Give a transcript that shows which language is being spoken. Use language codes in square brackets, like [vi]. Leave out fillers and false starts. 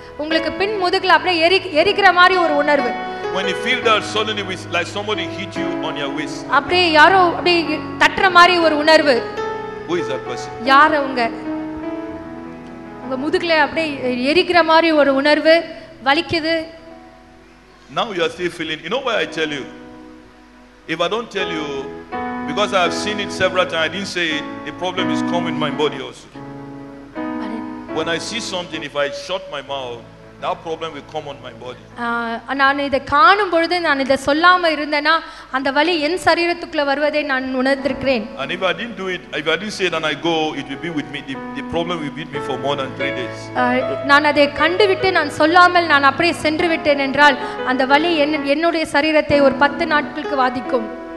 [ta] உங்களுக்கு பின் முதுகுல அப்படியே எரிகிற மாதிரி ஒரு உணர்வு. [en] When you feel that suddenly with like somebody hit you on your waist [ta] apdi yaro apdi tatra mari or unarvu. [en] Who is that person? [ta] Yara unga mudukle apdi erikira mari or unarvu valikudhu. [en] Now you are still feeling. You know why I tell you? If I don't tell you because I have seen it several times, I didn't say it, the problem is coming in my body also. When I see something, if I shut my mouth, that problem will come on my body. [ta] நான் இத காணும் பொழுது நான் இத சொல்லாம இருந்தனா அந்த வலி என் சரீரத்துக்குள்ள வருவதை நான் உணர்ந்திருக்கிறேன். [en] And if I didn't do it, if I didn't say it and I go, it will be with me. The problem will be with me for more than 3 days. [ta] நான் அதை கண்டுவிட்டு நான் சொல்லாமல் நான் அப்படியே சென்று விட்டேன் என்றால் அந்த வலி என்னுடைய சரீரத்தை ஒரு 10 நாட்களுக்கு வாதிக்கும்.